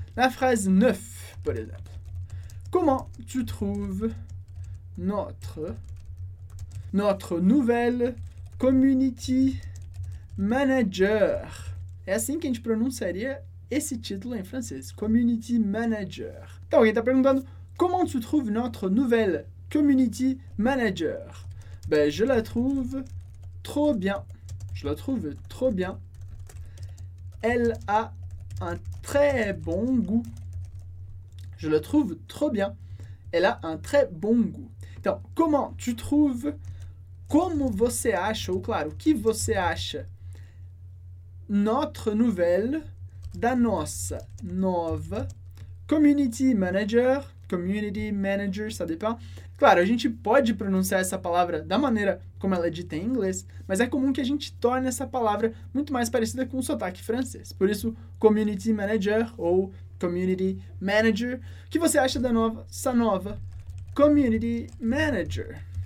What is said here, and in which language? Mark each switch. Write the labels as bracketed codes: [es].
[pt] Na frase 9, por exemplo. [fr] Comment tu trouves notre nouvelle community manager? [pt] É assim que a gente pronunciaria esse título em francês, community manager. Então, alguém está perguntando, [fr] comment tu trouves notre nouvelle community manager? Ben, je la trouve trop bien. Je la trouve trop bien. Elle a un très bon goût. Je le trouve trop bien. Elle a un très bon goût. Então, comment tu trouves? [pt] Como você acha? Ou, claro, o que você acha? [fr] Notre nouvelle, [pt] da nossa nova community manager. [fr] Community manager, ça dépend. [pt] Claro, a gente pode pronunciar essa palavra da maneira como ela é dita em inglês, mas é comum que a gente torne essa palavra muito mais parecida com o sotaque francês. Por isso, community manager ou community manager. O que você acha da nova, essa nova community manager?